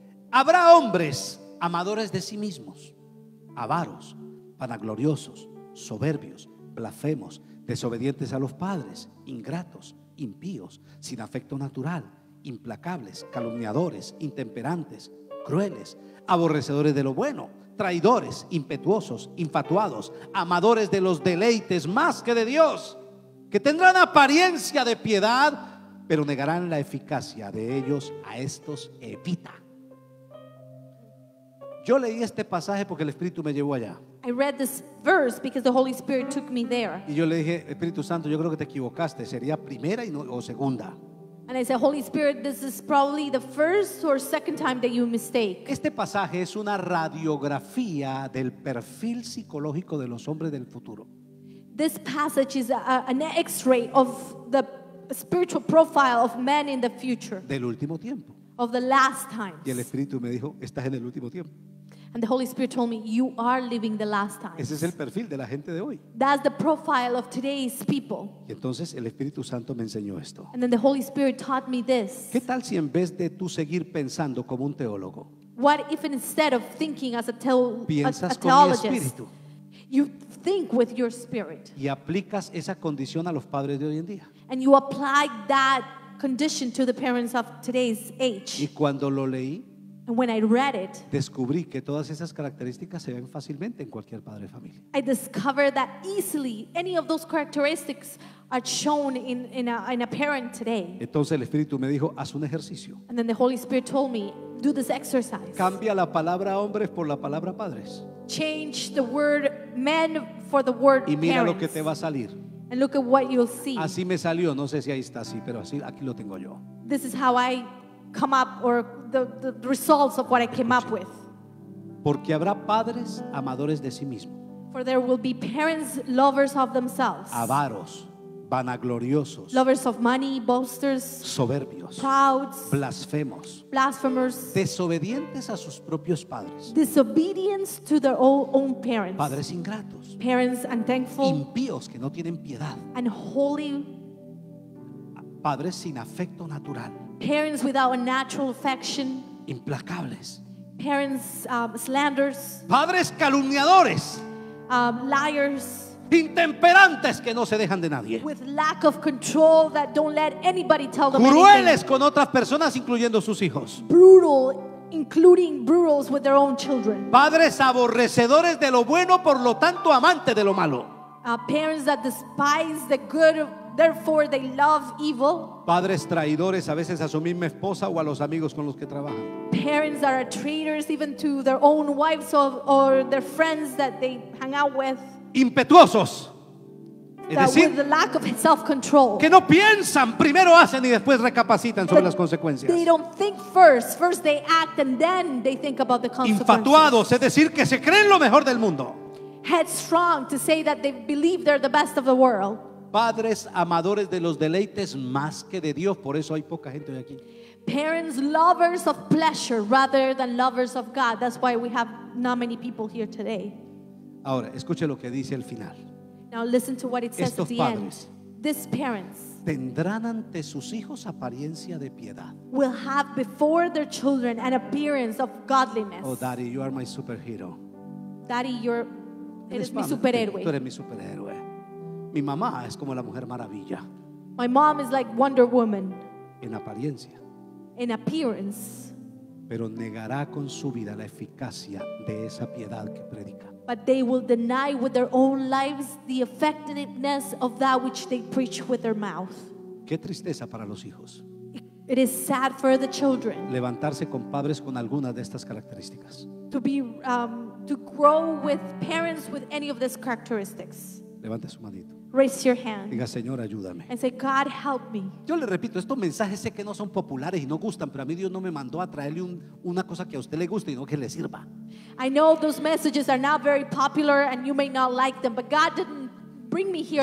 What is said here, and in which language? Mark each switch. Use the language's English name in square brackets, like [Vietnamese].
[Spanish] Habrá hombres amadores de sí mismos, avaros, vanagloriosos, soberbios, blasfemos, desobedientes a los padres, ingratos, impíos, sin afecto natural, implacables, calumniadores, intemperantes, crueles, aborrecedores de lo bueno, traidores, impetuosos, infatuados, amadores de los deleites más que de Dios, que tendrán apariencia de piedad, pero negarán la eficacia de ellos. A estos evita. Yo leí este pasaje porque el Espíritu me llevó allá. [English] I read this verse because the Holy Spirit took me there. [Spanish] Y yo le dije, Espíritu Santo, yo creo que te equivocaste. Sería primera y no, o segunda. [English] And I said, Holy Spirit, this is probably the first or second time that you mistake. [Spanish] Este pasaje es una radiografía del perfil psicológico de los hombres del futuro. [English] This passage is an X-ray of the spiritual profile of men in the future. [Spanish] Del último tiempo. [English] Of the last times. [Spanish] Y el Espíritu me dijo, estás en el último tiempo. [English] And the Holy Spirit told me, you are living the last times. [Spanish] Ese es el perfil de la gente de hoy. [English] That's the profile of today's people. [Spanish] Y entonces el Espíritu Santo me enseñó esto. [English] And then the Holy Spirit taught me this. [Spanish] ¿Qué tal si en vez de tú seguir pensando como un teólogo? [English] What if instead of thinking as [Spanish] piensas [English] a theologist, [Spanish] con mi espíritu? [English] You think with your spirit. [Spanish] Y aplicas esa condición a los padres de hoy en día. [English] And you apply that condition to the parents of today's age. [Spanish] Y cuando lo leí, [English] and when I read it, [Spanish] descubrí que todas esas características se ven fácilmente en cualquier padre de familia. [English] I discovered that easily any of those characteristics are shown in a parent today. [Spanish] Entonces el Espíritu me dijo, haz un ejercicio. [English] And then the Holy Spirit told me, do this exercise. [Spanish] Cambia la palabra hombres por la palabra padres. [English] Change the word men for the word parents. [Spanish] Y mira lo que te va a salir. [English] And look at what you'll see. [Spanish] Así me salió, no sé si ahí está así, pero así aquí lo tengo yo. [English] This is how I come up or the results of what I came up with. [Spanish] Porque habrá padres amadores de sí mismos. [English] For there will be parents lovers of themselves. [Spanish] Avaros, vanagloriosos, [English] lovers of money, boasters, [Spanish] soberbios, [English] proud, [Spanish] blasfemos, [English] blasphemers, [Spanish] desobedientes a sus propios padres, [English] disobedience to their own parents, [Spanish] padres ingratos, [English] parents unthankful, [Spanish] impíos que no tienen piedad, [English] and holy, [Spanish] padres sin afecto natural, [English] parents without a natural affection, [Spanish] implacables, [English] parents slanders, [Spanish] padres calumniadores, [English] liars, [Spanish] intemperantes que no se dejan de nadie, [English] with lack of control that don't let anybody tell them, [Spanish] crueles [English] anything, [Spanish] con otras personas incluyendo sus hijos, [English] brutal, including brutals with their own children, [Spanish] padres aborrecedores de lo bueno por lo tanto amantes de lo malo, [English] parents that despise the good therefore they love evil, [Spanish] padres traidores a veces a su misma esposa o a los amigos con los que trabajan, [English] parents that are traitors even to their own wives or their friends that they hang out with, [Spanish] impetuosos, es decir, [English] with the lack of self-control, [Spanish] que no piensan, primero hacen y después recapacitan sobre las consecuencias. [English] They don't think first they act and then they think about the consequences. [Spanish] Infatuados, es decir, que se creen lo mejor del mundo. [English] Headstrong, to say that they believe they're the best of the world. [Spanish] Padres amadores de los deleites más que de Dios, por eso hay poca gente hoy aquí. [English] Parents lovers of pleasure rather than lovers of God. That's why we have not many people here today. [Spanish] Ahora, escuche lo que dice al final. [English] Now listen to what it says [Spanish] estos [English] at the end. These parents [Spanish] tendrán ante sus hijos apariencia de piedad. [English] Will have before their children an appearance of godliness. Oh, daddy, you are my superhero. [Spanish] Daddy, eres mi superhéroe. Tú eres mi superhéroe. Mi mamá es como la Mujer Maravilla. [English] My mom is like Wonder Woman. [Spanish] En apariencia. [English] In appearance. [Spanish] Pero negará con su vida la eficacia de esa piedad que predica. [English] But they will deny with their own lives the effectiveness of that which they preach with their mouth. [Spanish] Qué tristeza para los hijos. [English] It is sad for the children. [Spanish] Levantarse con padres con alguna de estas características. [English] To grow with parents with any of these characteristics. [Spanish] Levante su manito. [English] Raise your hand. [Spanish] Diga, Señor, ayúdame. [English] And say, God, help me. [Spanish] Yo le repito, estos mensajes sé que no son populares y no gustan, pero a mí Dios no me mandó a traerle una cosa que a usted le guste y no que le sirva. [English] I know those messages are not very popular and you may not like them, but God didn't bring me here